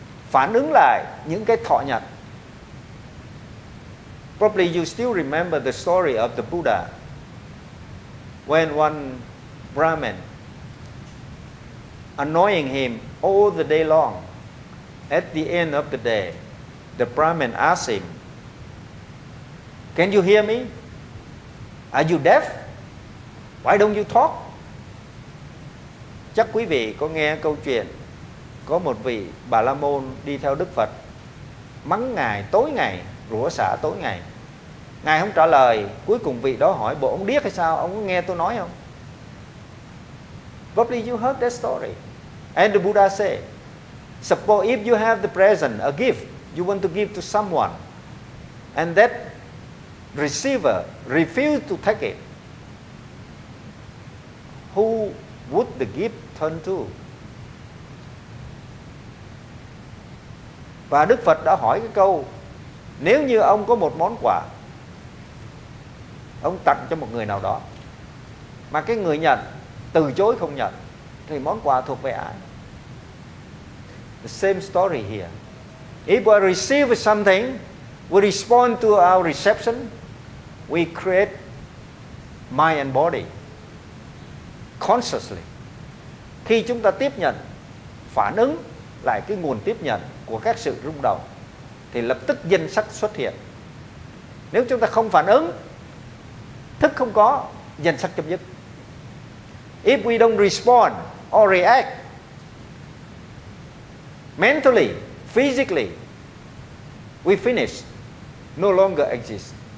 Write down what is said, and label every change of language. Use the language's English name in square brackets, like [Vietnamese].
[Vietnamese] phản ứng lại những cái thọ nhận. [English] Probably you still remember the story of the Buddha. When one Brahmin annoying him all the day long, at the end of the day, the Brahmin asked him, "Can you hear me? Are you deaf? Why don't you talk?" [Vietnamese] Chắc quý vị có nghe câu chuyện có một vị Bà La Môn đi theo Đức Phật, mắng ngài tối ngày, rủa xả tối ngày. Ngài không trả lời, cuối cùng vị đó hỏi: "Bộ ông điếc hay sao? Ông có nghe tôi nói không?" [English] Probably you heard that story. And the Buddha said, "Suppose if you have the present, a gift, you want to give to someone, and that receiver refused to take it, who would the gift turn to?" [Vietnamese] Và Đức Phật đã hỏi cái câu: "Nếu như ông có một món quà, ông tặng cho một người nào đó, mà cái người nhận từ chối không nhận, thì món quà thuộc về ai?" [English] The same story here. If we receive something, we respond to our reception, we create mind and body consciously. [Vietnamese] Khi chúng ta tiếp nhận, phản ứng lại cái nguồn tiếp nhận của các sự rung động, thì lập tức danh sắc xuất hiện. Nếu chúng ta không phản ứng, thức không có, danh sắc chấm dứt. [English] If we don't respond or react mentally, physically, we finish, no longer exist.